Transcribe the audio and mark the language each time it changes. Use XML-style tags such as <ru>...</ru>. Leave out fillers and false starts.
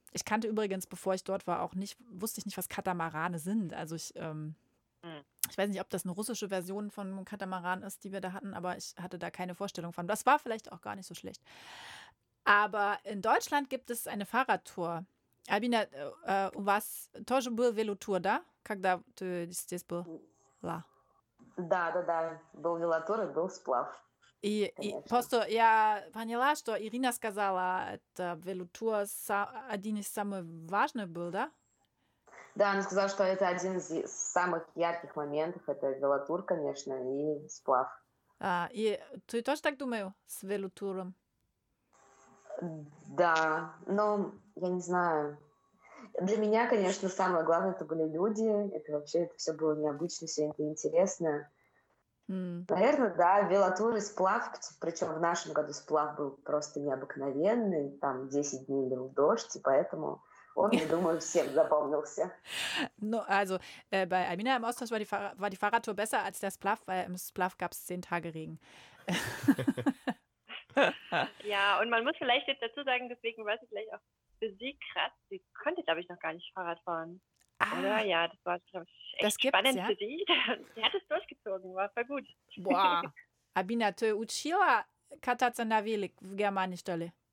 <de>Ich kannte übrigens, bevor ich dort war, auch nicht, wusste ich nicht, was Katamarane sind. Also ich weiß nicht, ob das eine russische Version von Katamaran ist, die wir da hatten, aber ich hatte da keine Vorstellung von. Das war vielleicht auch gar nicht so schlecht. Aber in Deutschland gibt es eine Fahrradtour.</de> <ru>Albina, у вас тоже был велотур, да? Когда ты здесь была? Да, да, да. Был велотур и был сплав. И просто я поняла, что Ирина сказала, это велотур один из самых важных был, да? Да, она сказала, что это один из самых ярких моментов. Это велотур, конечно, и сплав. А, и ты тоже так думаешь с велотуром? Да, но я не знаю. Для меня, конечно, самое главное, это были люди. Это вообще это все было необычно, все это интересно. Наверное, да, велотур и сплав, причем в нашем году сплав был просто необыкновенный, там 10 дней лил дождь, и поэтому он, я думаю, всем запомнился.</ru> <de>Ну, also, bei Albina im Austausch war die Fahrradtour besser als der Splav, weil im Splav gab es 10 Tage Regen. Ja, und man muss vielleicht jetzt dazu sagen, deswegen weiß ich vielleicht auch für sie krass, sie konnte, glaube ich, noch gar nicht Fahrrad fahren. Ah, oder? Ja, das war, glaube ich, echt spannend für sie. Sie hat es durchgezogen, war voll gut. Boah.</de> <ru>Albina, ты учила кататься на велик в Германии, что ли?</ru>